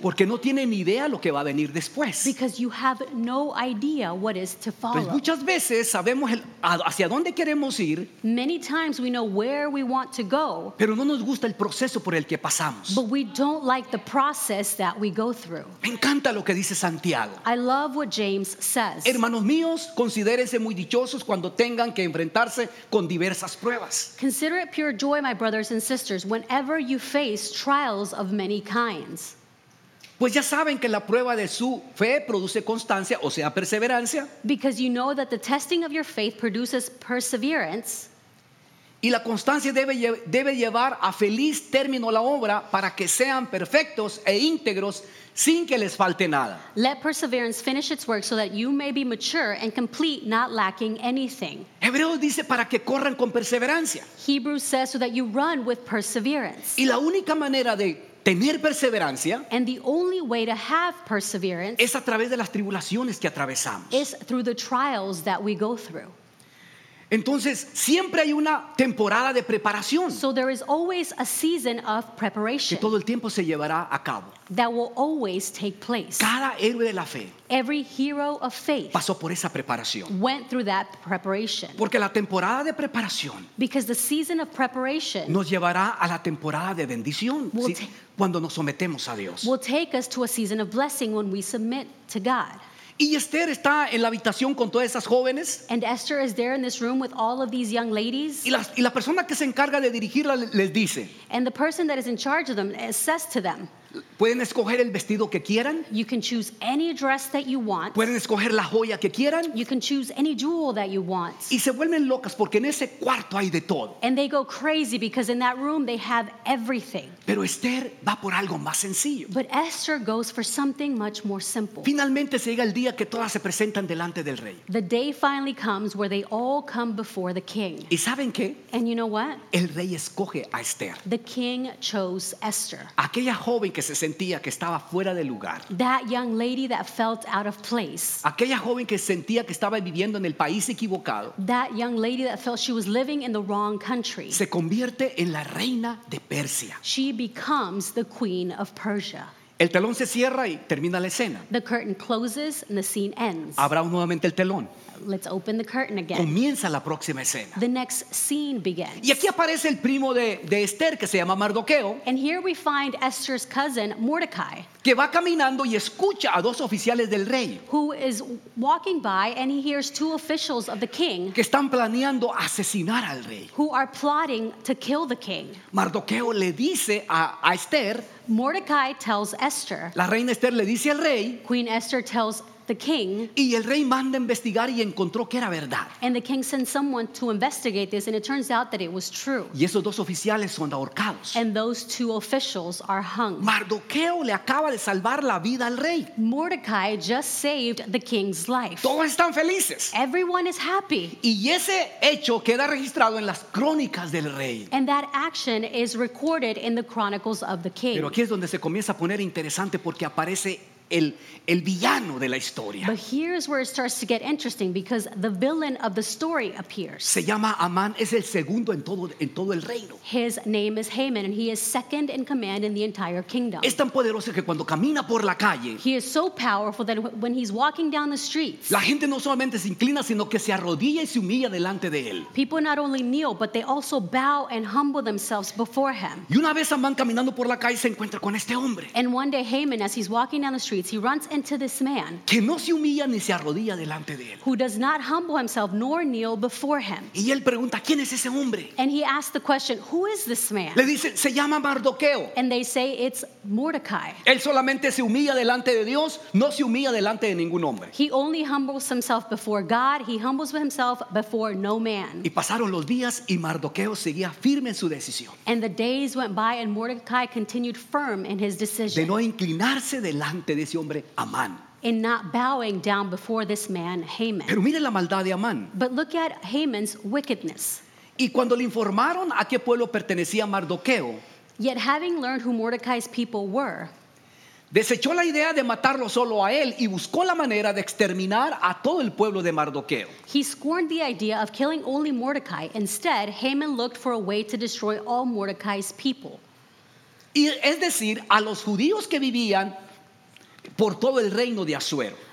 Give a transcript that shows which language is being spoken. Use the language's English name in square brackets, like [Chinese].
[Spanish] Porque no tiene ni idea lo que va a venir después. [English] Because you have no idea what is to follow. [Spanish] Pues muchas veces sabemos hacia dónde queremos ir. [English] Many times we know where we want to go. [Spanish] Pero no nos gusta el proceso por el que pasamos. [English] But we don't like the process that we go through. [Spanish] Me encanta lo que dice Santiago. [English] I love what James says. [Spanish] Hermanos míos, considérense muy dichosos cuando tengan que enfrentarse con diversas pruebas. [English] Consider it pure joy, my brothers and sisters, whenever you face trials of many kinds. [Spanish] Pues ya saben que la prueba de su fe produce constancia, o sea, perseverancia. [English] Because you know that the testing of your faith produces perseverance. [Spanish] Y la constancia debe llevar a feliz término la obra para que sean perfectos e íntegros sin que les falte nada. [English] Let perseverance finish its work so that you may be mature and complete, not lacking anything. [Spanish] Hebreos dice para que corran con perseverancia. [English] Hebrews says so that you run with perseverance. [Spanish] Y la única manera de tener perseverancia, [English] and the only way to have perseverance, [Spanish] es a través de las tribulaciones que atravesamos. [English] Is through the trials that we go through. [Spanish] Entonces, siempre hay una temporada de preparación. [English] So there is always a season of preparation. [Spanish] Que todo el tiempo se llevará a cabo. [English] That will always take place. [Spanish] Cada héroe de la fe. [English] Every hero of faith. [Spanish] Pasó por esa preparación. [English] Went through that preparation. [Spanish] Porque la temporada de preparación. [English] Because the season of preparation. [Spanish] Nos llevará a la temporada de bendición. Cuando nos sometemos a Dios. [English] Will take us to a season of blessing when we submit to God. [Spanish] Y Esther está en la habitación con todas esas jóvenes. [English] And Esther is there in this room with all of these young ladies. [Spanish] Y la persona que se encarga de dirigirla les dice. [English] And the person that is in charge of them says to them. [Spanish] Pueden escoger el vestido que quieran. [English] You can choose any dress that you want. [Spanish] Pueden escoger la joya que quieran. [English] You can choose any jewel that you want. [Spanish] Y se vuelven locas porque en ese cuarto hay de todo. [English] And they go crazy because in that room they have everything. [Spanish] Pero Esther va por algo más sencillo. [English] But Esther goes for something much more simple. [Spanish] Finalmente se llega el día que todas se presentan delante del rey. [English] The day finally comes where they all come before the king. [Spanish] ¿Y saben qué? [English] And you know what? [Spanish] El rey escoge a Esther. [English] The king chose Esther. [Spanish] Aquella joven que se sentía que estaba fuera de lugar. [English] That young lady that felt out of place. [Spanish] Aquella joven que sentía que estaba viviendo en el país equivocado. [English] That young lady that felt she was living in the wrong country. [Spanish] Se convierte en la reina de Persia. [English] She becomes the queen of Persia. [Spanish] El telón se cierra y termina la escena. [English] The curtain closes and the scene ends. [Spanish] Abra nuevamente el telón. [English] Let's open the curtain again. [Spanish] Comienza la próxima escena. [English] The next scene begins. [Spanish] Y aquí aparece el primo de Esther que se llama Mardoqueo. [English] And here we find Esther's cousin Mordecai. [Spanish] Que va caminando y escucha a dos oficiales del rey. [English] Who is walking by and he hears two officials of the king. [Spanish] Que están planeando asesinar al rey. [English] Who are plotting to kill the king. [Spanish] Mardoqueo le dice a Esther. [English] Mordecai tells Esther. [Spanish] La reina Esther le dice al rey. [English] Queen Esther tells the king. [Spanish] Y el rey manda investigar y encontró que era verdad. [English] And the king sent someone to investigate this, and it turns out that it was true. [Spanish] Y esos dos oficiales son ahorcados. [English] And those two officials are hung. [Spanish] Mardoqueo le acaba de salvar la vida al rey. [English] Mordecai just saved the king's life. [Spanish] Todos están felices. [English] Everyone is happy. [Spanish] Y ese hecho queda registrado en las crónicas del rey. [English] And that action is recorded in the chronicles of the king. [Spanish] Pero aquí es donde se comienza a poner interesante porque aparece el villano de la historia. [English] But here's where it starts to get interesting because the villain of the story appears. [Spanish] Se llama Amán, es el segundo en todo el reino. [English] His name is Haman and he is second in command in the entire kingdom. [Spanish] Es tan poderoso que cuando camina por la calle, [English] he is so powerful that when he's walking down the streets, [Spanish] la gente no solamente se inclina sino que se arrodilla y se humilla delante de él. [English] People not only kneel but they also bow and humble themselves before him. [Spanish] Y una vez Amán caminando por la calle se encuentra con este hombre. [English] And one day Haman, as he's walking down the street, streets. He runs into this man [Spanish] que no se humilla ni se arrodilla delante de él. [English] Who does not humble himself nor kneel before him. [Spanish] Y él pregunta, ¿quién es ese hombre? [English] And he asks the question, who is this man? [Spanish] Le dice, se llama Mardoqueo. [English] And they say it's Mordecai. [Spanish] Él solamente se humilla delante de Dios, no se humilla delante de ningún hombre. [English] He only humbles himself before God. He humbles himself before no man. [Spanish] Y pasaron los días y Mardoqueo seguía firme en su decisión. [English] And the days went by and Mordecai continued firm in his decision. [Spanish] De no inclinarse delante de ese hombre, Amán. [English] In not bowing down before this man, Haman. [Spanish] Pero mire la maldad de Amán. [English] But look at Haman's wickedness. [Spanish] Y cuando le informaron a qué pueblo pertenecía Mardoqueo, [English] yet having learned who Mordecai's people were, [Spanish] desechó la idea de matarlo solo a él y buscó la manera de exterminar a todo el pueblo de Mardoqueo. [English] He scorned the idea of killing only Mordecai. Instead, Haman looked for a way to destroy all Mordecai's people. [Spanish] Y es decir, a los judíos que vivían por todo el reino de Asuero.